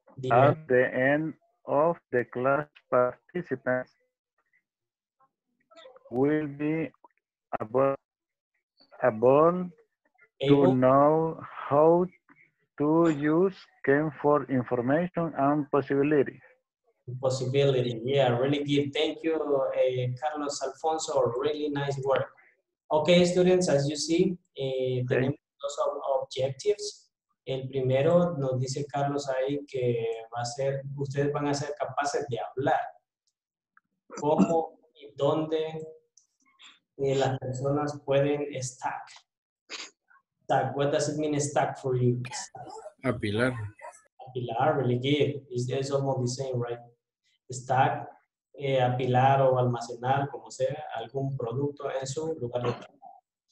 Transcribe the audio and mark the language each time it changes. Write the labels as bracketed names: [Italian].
[English] At the end of the class, participants will be able to know how to use CAN for information and possibility. Possibility, yeah, really good. Thank you, Carlos Alfonso. Really nice work. Okay, students, as you see, [Spanish] tenemos dos [English] objectives. [Spanish] El primero nos dice Carlos ahí que va a ser, ustedes van a ser capaces de hablar. ¿Cómo y dónde las personas pueden stack? [English] Stack, what does it mean stack for you? [Spanish] Apilar. Apilar, [English] really good. It's almost the same, right? [Spanish] Stack, apilar o almacenar, como sea, algún producto en su lugar de trabajo.